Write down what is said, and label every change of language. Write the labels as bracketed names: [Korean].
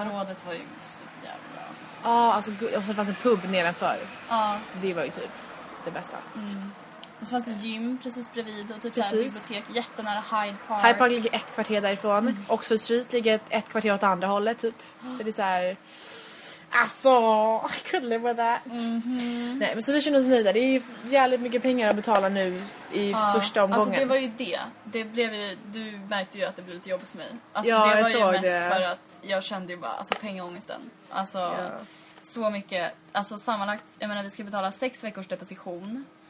[Swedish] Området var ju så jävla bra. Ja, alltså. Och så fanns det en pub nedanför. Ja. Det var ju typ det bästa. Mm. Och så fanns det gym precis bredvid. Och typ precis. Där bibliotek, jättenära Hyde Park. Hyde Park ligger 1 kvarter därifrån. Mm. Och så Street ligger 1 kvarter åt andra hållet typ. Mm. Så det är så här. [English] Alltså, I could live with that. Mm-hmm. [Swedish] Nej, men så vi känner oss nöjda. Det är ju jävligt mycket pengar att betala nu i första omgången. Alltså det var ju det. Det blev ju, du märkte ju att det blev lite jobbigt för mig. Alltså ja, det var jag såg ju mest det. För att jag kände ju bara, alltså pengångesten. Alltså ja. Så mycket. Alltså sammanlagt, jag menar vi ska betala 6 veckors deposition.